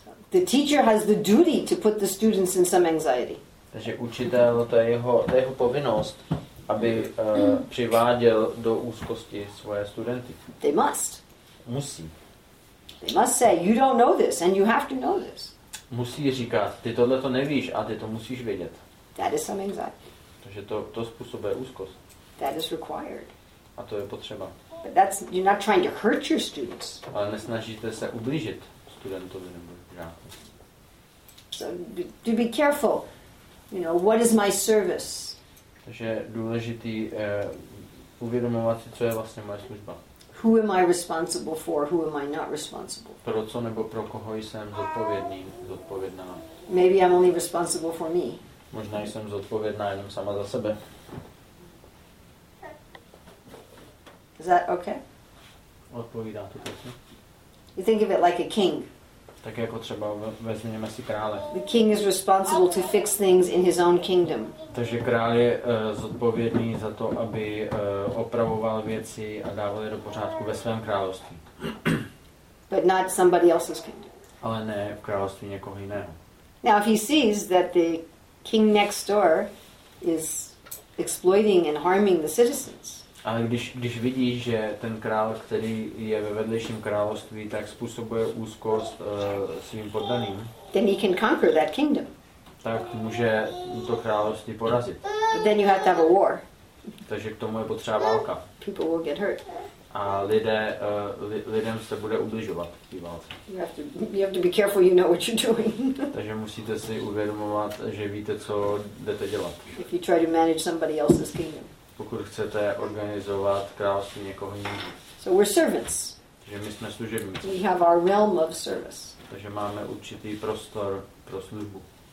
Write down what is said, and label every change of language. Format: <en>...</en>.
<en>The teacher has the duty to put the students in some anxiety.</en> <cs>Takže učitel, to je jeho povinnost, aby přiváděl do úzkosti svoje studenty.</cs> <en>They must.</en> <cs>Musí.</cs> <en>They must say, you don't know this and you have to know this.</en> <cs>Musí říkat, ty tohle to nevíš a ty to musíš vědět.</cs> <en>That is some anxiety.</en> <cs>Takže to způsobuje úzkost.</cs> <en>That is required.</en> <cs>A to je potřeba.</cs> <en>But that's, you're not trying to hurt your students.</en> <cs>Ale nesnažíte se ublížit studentovi nebo.</cs> <en>So to be careful, you know, what is my service?</en> <cs>Takže důležitý uvědomovat si, co je vlastně moje služba.</cs> <en>Who Who am I responsible for? Who am I not responsible for?</en> <cs>Pro co nebo pro koho jsem zodpovědný, zodpovědná?</cs> <en>Maybe I'm only responsible for me.</en> <cs>Možná jsem zodpovědná jenom sama za sebe.</cs> <en>Is that okay?</en> <cs>Odpovídá to prosím.</cs> <en>You think of it like a king.</en> <cs>Tak jako třeba vezměme si krále.</cs> <en>The king is responsible to fix things in his own kingdom.</en> <cs>Takže král je zodpovědný za to, aby opravoval věci a dával je do pořádku ve svém království.</cs> <en>But not somebody else's kingdom.</en> <cs>Ale ne v království někoho jiného.</cs> <en>Now if he sees that the king next door is exploiting and harming the citizens.</en> <cs>Ale když vidí, že ten král, který je ve vedlejším království, tak způsobuje úzkost svým poddaným,</cs> <en>then he can conquer that kingdom.</en> <cs>Tak může to království porazit.</cs> <en>But then you have to have a war.</en> <cs>Takže k tomu je potřeba válka.</cs> <en>People will get hurt.</en> <cs>A lidé, lidem se bude ubližovat v té válce.</cs> <en>You have to be careful, you know what you're doing.</en> <cs>Takže musíte si uvědomovat, že víte, co jdete dělat.</cs> <en>If you try to manage somebody else's kingdom.</en> <cs>Pokud chcete organizovat království někoho jiného.</cs> <en>So we're servants.</en> <cs>Takže my jsme služebníci.</cs> <en>We have our realm of service.</en> <cs>Takže máme určitý prostor pro službu.</cs>